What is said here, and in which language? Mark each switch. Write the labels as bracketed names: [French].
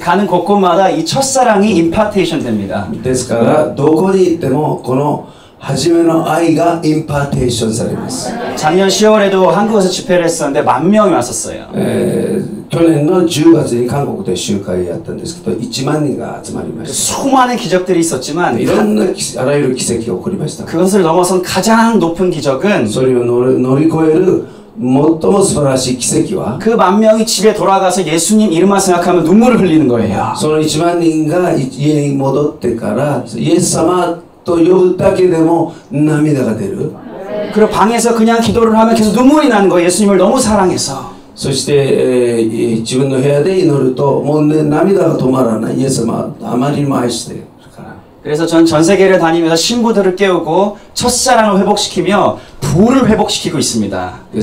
[Korean] 가는 곳곳마다 이 첫사랑이 임파테이션 됩니다. [Japanese] ですからどこに行ってもこの初めの愛がインパーテーションされます。 [Korean] 작년 10월에도 한국에서 집회를 했었는데 만 명이 왔었어요. [Japanese] 去年の10月に韓国で集会やったんですけど 1万人が集まりました。 [Korean] 수많은 기적들이 있었지만 [Japanese] いろんなあらゆる奇跡が起こりました。 [Korean] 그것을 넘어선 가장 높은 기적은 [Japanese] それを乗り越える最も素晴らしい奇跡は [Korean] 그 만 명이 집에 돌아가서 예수님 이름만 생각하면 눈물을 흘리는 거예요. [Japanese] その1万人が家に戻ってからイエス様と呼ぶだけでも涙が出る。 [Korean] 그리고 방에서 그냥 기도를 하면 계속 눈물이 나는 거예요. 예수님을 너무 사랑해서. [Japanese] そして自分の部屋で祈るともう涙が止まらない。イエス様あまりにも愛してるから。 [Korean] 그래서 전 세계를 다니면서 신부들을 깨우고 첫사랑을 회복시키며 부를 회복시키고 있습니다.